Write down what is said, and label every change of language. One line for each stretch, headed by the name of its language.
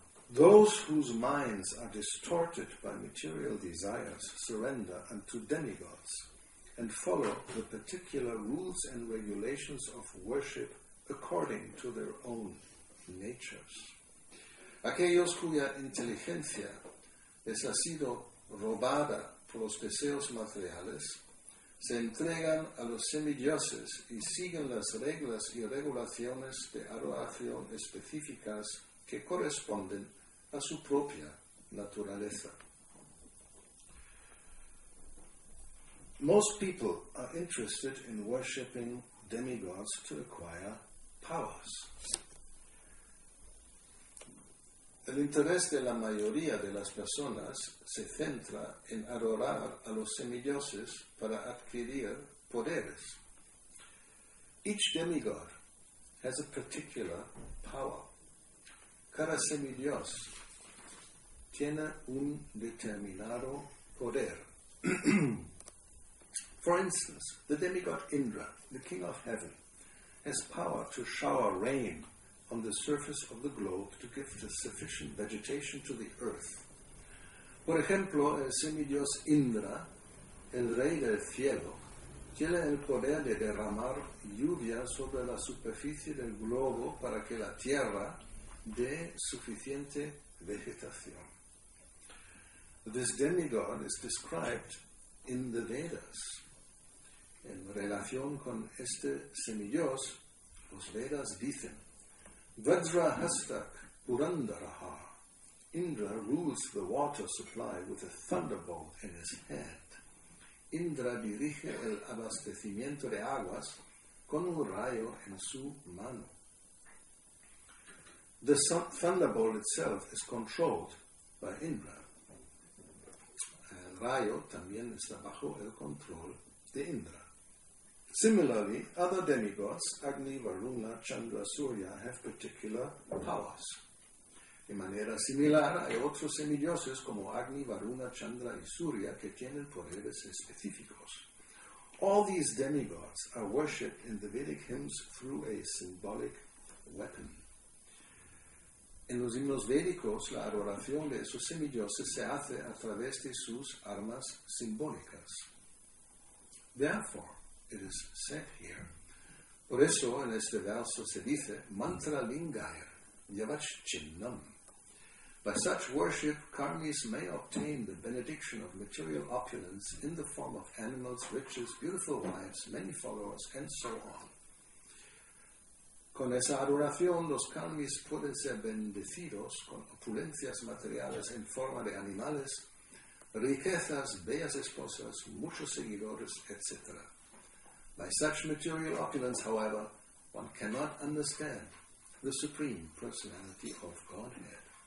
English: Those whose minds are distorted by material desires surrender unto demigods and follow the particular rules and regulations of worship according to their own natures.
Spanish: Aquellos cuya inteligencia les ha sido robada por los deseos materiales se entregan a los semidioses y siguen las reglas y regulaciones de adoración específicas que corresponden a su propia naturaleza.
English: Most people are interested in worshipping demigods to acquire powers.
Spanish: El interés de la mayoría de las personas se centra en adorar a los semidioses para adquirir poderes.
English: Each demigod has a particular power.
Spanish: Cada semidios tiene un determinado poder.
English: For instance, the demigod Indra, the king of heaven, has power to shower rain on the surface of the globe to give the sufficient vegetation to the earth.
Spanish: Por ejemplo, el semidios Indra, el rey del cielo, tiene el poder de derramar lluvia sobre la superficie del globo para que la tierra dé suficiente vegetación.
English: This demigod is described in the Vedas.
Spanish: En relación con este semidios, los Vedas dicen, Vajra Hastak Purandaraha.
English: Indra rules the water supply with a thunderbolt in his hand.
Spanish: Indra dirige el abastecimiento de aguas con un rayo en su mano.
English: The thunderbolt itself is controlled by Indra.
Spanish: El rayo también está bajo el control de Indra.
English: Similarly, other demigods, Agni, Varuna, Chandra, Surya, have particular powers.
Spanish: De manera similar, hay otros semidioses como Agni, Varuna, Chandra y Surya que tienen poderes específicos.
English: All these demigods are worshipped in the Vedic hymns through a symbolic weapon.
Spanish: En los himnos védicos, la adoración de esos semidioses se hace a través de sus armas simbólicas.
English: Therefore, it is said here.
Spanish: Por eso en este verso se dice mantra lingaya yavach chinnam.
English: By such worship, karmis may obtain the benediction of material opulence in the form of animals, riches, beautiful wives, many followers, and so on.
Spanish: Con esa adoración, los karmis pueden ser bendecidos con opulencias materiales en forma de animales, riquezas, bellas esposas, muchos seguidores, etc.
English: By such material opulence, however, one cannot understand the Supreme Personality of Godhead.